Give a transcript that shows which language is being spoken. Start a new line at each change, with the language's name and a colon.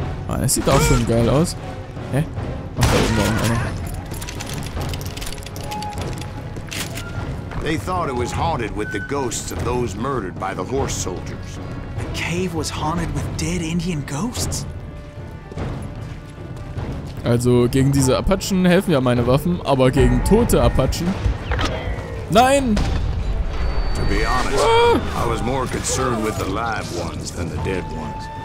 German: Ah, das sieht auch schon geil aus. Hä? Mach da oben noch einen.
English: They thought it was haunted with the ghosts of those murdered by the horse soldiers. The cave was haunted with dead Indian ghosts?
German: Also, gegen diese Apachen helfen ja meine Waffen, aber gegen tote Apachen? Nein!
English: To be honest, I was more concerned with the live ones than the dead ones.